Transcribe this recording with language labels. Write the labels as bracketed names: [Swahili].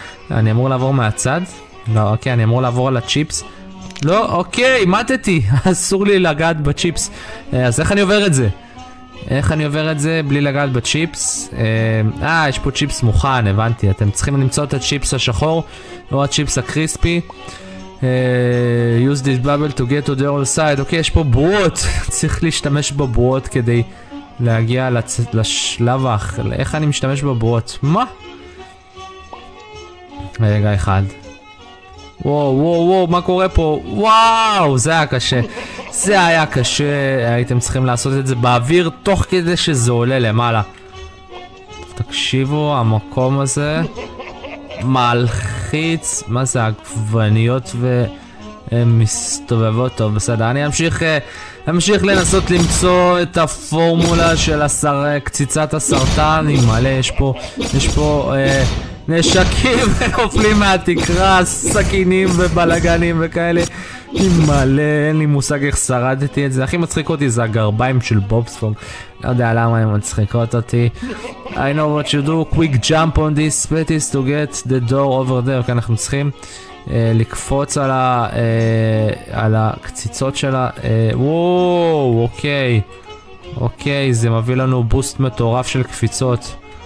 [Hebrew] אני אמור לעבור מהצד? לא, אוקיי, אני אמור לעבור על הצ'יפס. לא, אוקיי, מתתי, אסור לי לגעת בצ'יפס. אז איך אני עובר את זה? איך אני עובר את זה בלי לגעת בצ'יפס? יש פה צ'יפס מוכן, הבנתי. אתם צריכים למצוא את הצ'יפס השחור או הצ'יפס הקריספי. [English] Use this bubble to get to the other side. [Hebrew] אוקיי, יש פה בועות. צריך להשתמש בבועות כדי להגיע לשלב האחר. איך אני משתמש בבועות? מה? רגע אחד. וואו, וואו, וואו, מה קורה פה? וואו, זה היה קשה. זה היה קשה. הייתם צריכים לעשות את זה באוויר תוך כדי שזה עולה למעלה. תקשיבו, המקום הזה מלחיץ. מה זה, הגווניות ומסתובבות? טוב, בסדר, אני אמשיך לנסות למצוא את הפורמולה של קציצת הסרטן. עם מלא, יש פה נשקים נופלים מהתקרה, סכינים ובלגנים וכאלה. עם מלא, אין לי מושג איך שרדתי את זה. הכי מצחיק אותי זה הגרביים של בוב ספוג. לא יודע למה הם מצחיקות אותי. [English] I know what you do, quick jump on this space to get the door over there. [Hebrew] אוקיי, אנחנו צריכים לקפוץ על על הקציצות שלה. וואו, אוקיי. אוקיי, זה מביא לנו בוסט מטורף של קפיצות.